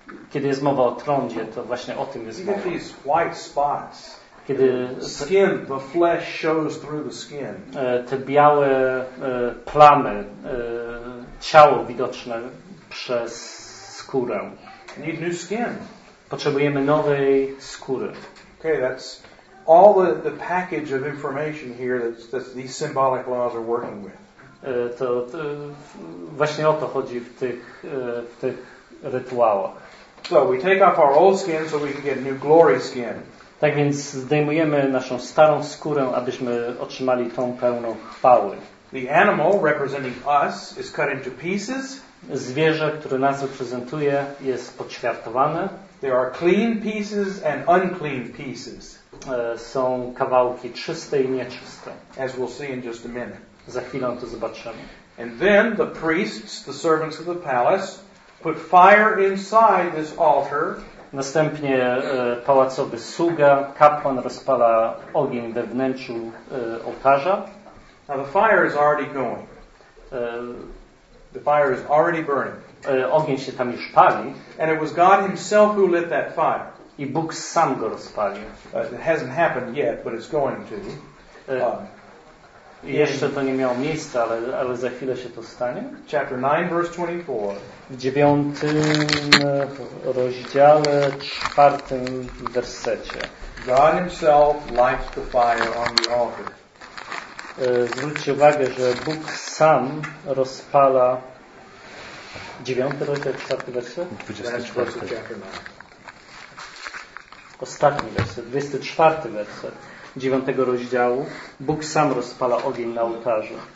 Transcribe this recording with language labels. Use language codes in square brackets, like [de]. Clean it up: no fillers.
[pl] Kiedy jest mowa o trądzie, to właśnie o tym jest mowa. [en] These white spots. [pl] Kiedy [en] skin, the flesh shows through the skin. [pl] Te białe plamy, ciało widoczne przez skórę. [en] Need new skin. [pl] Potrzebujemy nowej skóry. [en] Okay, that's all the package of information here that these symbolic laws are working with. [pl] To właśnie o to chodzi w tych rytuałach. [en] So we take off our old skin so we can get new glory skin. [pl] Tak więc zdejmujemy naszą starą skórę, abyśmy otrzymali tą pełną chwały. [en] The animal representing us is cut into pieces. [pl] Zwierzę, które nas reprezentuje, jest poćwiartowane. [en] There are clean pieces and unclean pieces. [pl] Są kawałki czyste i nieczyste. [en] As we'll see in just a minute. [pl] Za chwilę to zobaczymy. [en] And then the priests, the servants of the palace, put fire inside this altar. [pl] Następnie pałacowy sługa, kapłan rozpala ogień we wnętrzu ołtarza. [en] Now the fire is already going. The fire is already burning. [pl] Ogień się tam już pali. [en] And it was God himself who lit that fire. [pl] I Bóg sam go rozpalił. [en] It hasn't happened yet, but it's going to. [pl] Jeszcze to nie miało miejsca, ale za chwilę się to stanie. [en] Chapter 9, verse 24. [pl] W 9 rozdziale, 4 wersecie. [en] God himself lights the fire on the altar. [pl] Zwróćcie uwagę, że Bóg sam rozpala 9 rozdział, 4 werset. [en] 24. [pl] Ostatni werset, 24 werset. 9 rozdziału. Bóg sam rozpala ogień na ołtarzu.